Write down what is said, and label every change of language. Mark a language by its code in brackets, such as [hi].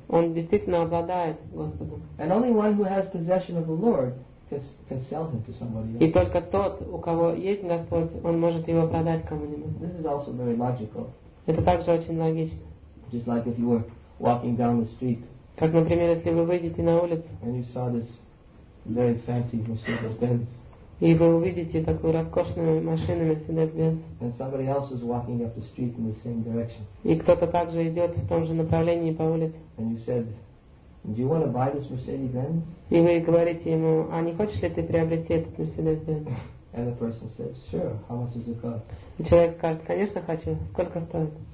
[ru] Он действительно обладает Господом. [en] And only one who has possession of the Lord can sell him to somebody else. [ru] И только тот, у кого есть Господь, он может его продать кому-нибудь. [en] This is also very logical. [ru] Это также очень логично. [en] Just like if you were walking down the street. [ru] Как, например, если вы выйдете на улицу. [en] And you saw this very fancy Mercedes-Benz. [ru] И вы увидите такую роскошную машину Mercedes-Benz. [en] And somebody else is walking up the street in the same direction. [ru] И кто-то также идет в том же направлении по улице. [en] And you said, do you want to buy this Mercedes-Benz? [ru] И вы говорите ему, а не хочешь ли ты приобрести этот Mercedes-Benz? [en] And the person said, sure, how much does it cost? [ru] И человек скажет, конечно хочу, сколько стоит?